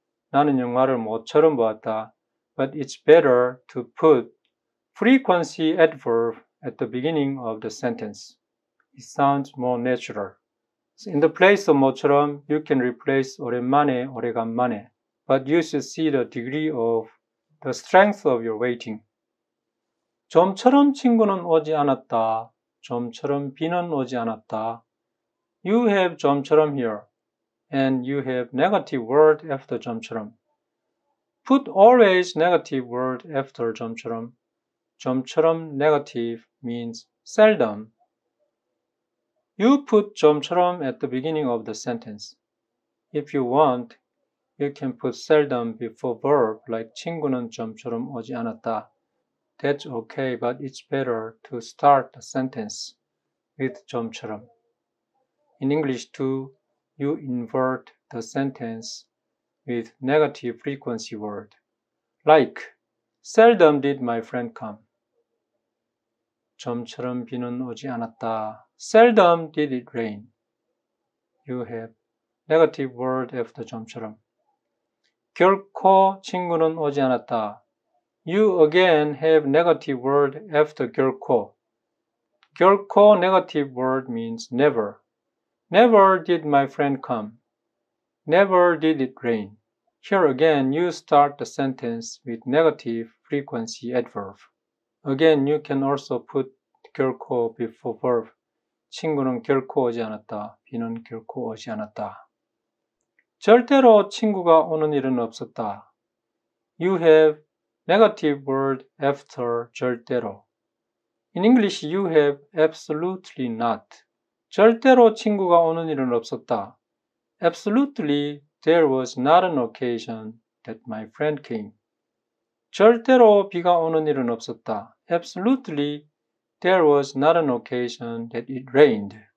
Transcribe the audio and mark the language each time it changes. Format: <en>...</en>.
<ko>나는 영화를 모처럼 보았다.</ko> <en>But it's better to put frequency adverb at the beginning of the sentence. It sounds more natural. So in the place of 모처럼, you can replace</en> <ko>오랜만에, 오래간만에.</ko> <en>But you should see the degree of the strength of your waiting.</en> <ko>좀처럼 친구는 오지 않았다. 좀처럼 비는 오지 않았다.</ko> <en>You have 좀처럼 here. And you have negative word after 좀처럼. Put always negative word after 좀처럼. 좀처럼 negative means seldom. You put 좀처럼 at the beginning of the sentence. If you want, you can put seldom before verb like</en> <ko>친구는 좀처럼 오지 않았다.</ko> <en>That's okay, but it's better to start the sentence with 좀처럼. In English too, you invert the sentence with negative frequency word. Like, seldom did my friend come.</en> <ko>좀처럼 비는 오지 않았다.</ko> <en>Seldom did it rain. You have negative word after 좀처럼.</en> <ko>결코 친구는 오지 않았다.</ko> <en>You again have negative word after 결코. 결코 negative word means never. Never did my friend come. Never did it rain. Here again, you start the sentence with negative frequency adverb. Again, you can also put 결코 before verb.</en> <ko>친구는 결코 오지 않았다. 비는 결코 오지 않았다. 절대로 친구가 오는 일은 없었다.</ko> <en>You have negative word after 절대로. In English, you have absolutely not.</en> <ko>절대로 친구가 오는 일은 없었다.</ko> <en>Absolutely, there was not an occasion that my friend came.</en> <ko>절대로 비가 오는 일은 없었다.</ko> <en>Absolutely, there was not an occasion that it rained.</en>